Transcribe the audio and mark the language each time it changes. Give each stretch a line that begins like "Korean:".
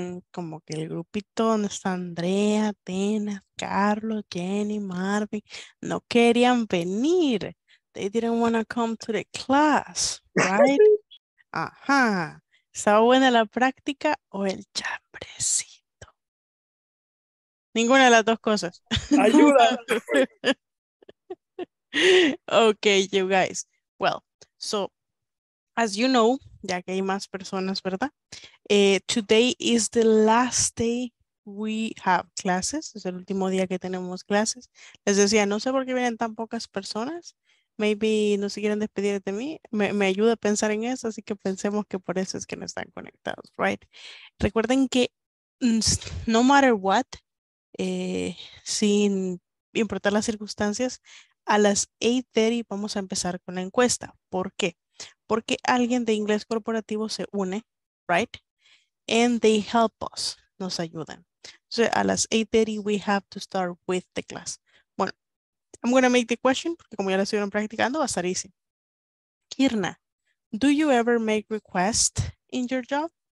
Spanish: Como que el grupito donde está Andrea, Atenas, Carlos, Jenny, Marvin, no querían venir.
English: They didn't want to come to the class, right?
Spanish: Ajá. ¿Estaba buena la práctica o el chambrecito? Ninguna de las dos cosas. Ayuda.
English: Okay, you guys. Well, so, as you know,
Spanish: ya que hay más personas, ¿verdad?
English: Today is the last day we have classes.
Spanish: Es el último día que tenemos clases. Les decía, no sé por qué vienen tan pocas personas. Maybe no se quieren despedir de mí. Me ayuda a pensar en eso, así que pensemos que por eso es que no están conectados, right? Recuerden que
English: no matter what,
Spanish: sin importar las circunstancias, a las 8:30 vamos a empezar con la encuesta. ¿Por qué? Porque alguien de inglés corporativo se une, right?
English: And they help us,
Spanish: nos ayudan.
English: So
Spanish: a las 8:30
English: we have to start with the class. Bueno, I'm going to make the question,
Spanish: porque como ya la estuvieron practicando, va a estar
English: easy. Kirna, do you ever make requests in your job?